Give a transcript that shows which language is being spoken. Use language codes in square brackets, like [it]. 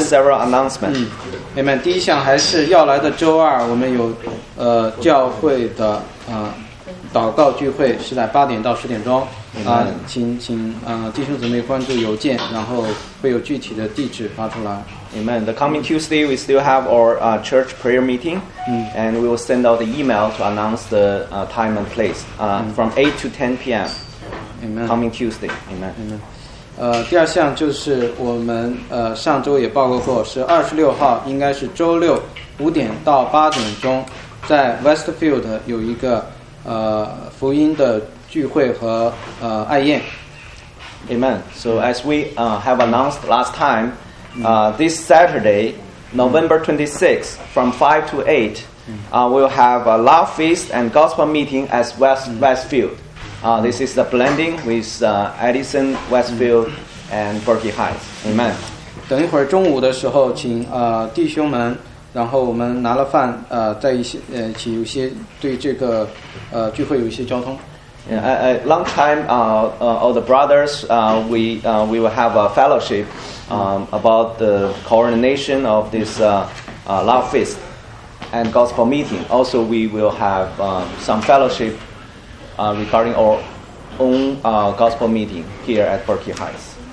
[en] several announcements。 Amen。 [zh] 第一项还是要来的周二，我们有教会的祷告聚会，是在8点到10点钟啊、请弟兄姊妹关注邮件，然后会有具体的地址发出来。 [en] Amen. The coming Tuesday, we still have our church prayer meeting, and we will send out the email to announce the time and place. From 8 to 10 p.m. Amen. Coming Tuesday. Amen. Amen. [zh] 第二项就是我们上周也报告过，是26号，应该是周六5点到8点钟，在 Westfield 有一个福音的聚会和爱宴。 [en] Amen. So as we have announced last time, this Saturday, November 26th, from 5 to 8, we'll have a love feast and gospel meeting at Westfield. This is the blending with Edison, Westfield, and Berkeley Heights. Amen. [zh] 等一会儿中午的时候，请弟兄们，然后我们拿了饭，在一些请有些对这个聚会有一些交通。 [en] Yeah, long time, all the brothers, we will have a fellowship, about the coordination of this love feast and gospel meeting. Also, we will have some fellowship. Regarding our own gospel meeting here at Berkeley Heights.